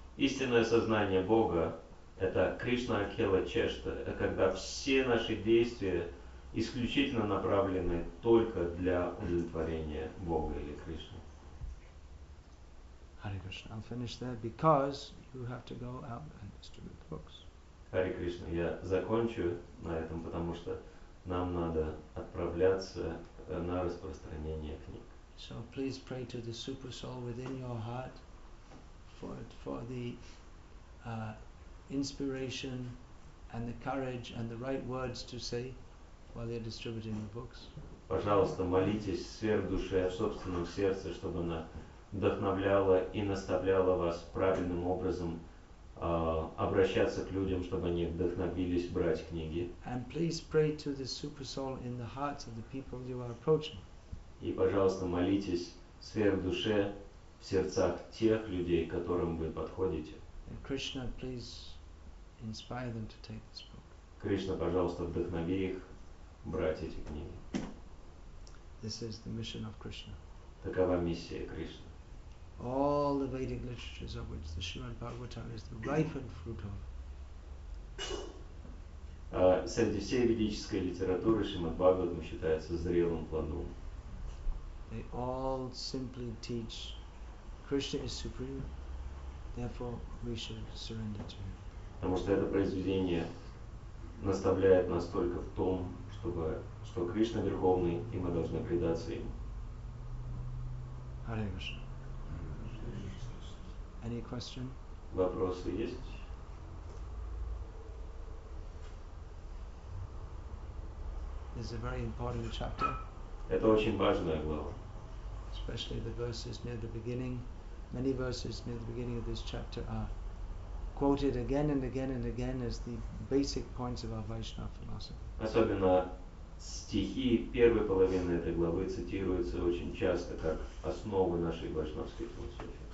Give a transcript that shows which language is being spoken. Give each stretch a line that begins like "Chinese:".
Russian: Истинное сознание Бога – это Кришна Акхила Чешта, когда все наши действия исключительно направлены только для удовлетворения Бога или Кришны.
English: Hare Krishna, I'll finish there because you have to go out and distribute the books.
Russian: Hare Krishna, я закончу на этом, потому что нам надо отправляться на распространение книг.
English: So please pray to the super soul within your heart for the inspiration and the courage and the right words to say while they're distributing the books.
Russian: Пожалуйста, молитесь сверхдуше в собственном сердце, чтобы она вдохновляла и наставляла вас правильным образом обращаться к людям, чтобы они вдохновились брать книги.
English: And please pray to the super soul in the hearts of the people you are approaching.
Russian: И, пожалуйста, молитесь сверхдуше в сердцах тех людей, к которым вы подходите.
English: And Krishna, please inspire them to take this book.
Russian: Кришна, пожалуйста, вдохнови их брать эти книги.
English: This is the mission of Krishna.
Russian: Такова миссия Кришны.
English: All the Vedic literatures of which the Srimad Bhagavatam is the ripened fruit of.
Russian: Среди всей ведической литературы Шримад Бхагаватам считается зрелым плодом.
English: They all simply teach Krishna is supreme, therefore we should surrender to him.
Russian: Потому что это произведение наставляет нас только в том, что Кришна Верховный, и мы должны предаться ему.
English: Hare Krishna. Any question?
Russian: Вопросы есть?
English: This is a very important chapter.
Russian: Это очень важная глава.
English: Especially the verses near the beginning. Many verses near the beginning of this chapter are quoted again and again and again as the basic points of our Vaishnava philosophy.
Russian: Особенно стихи первой половины этой главы цитируются очень часто как основы нашей вайшнавской философии.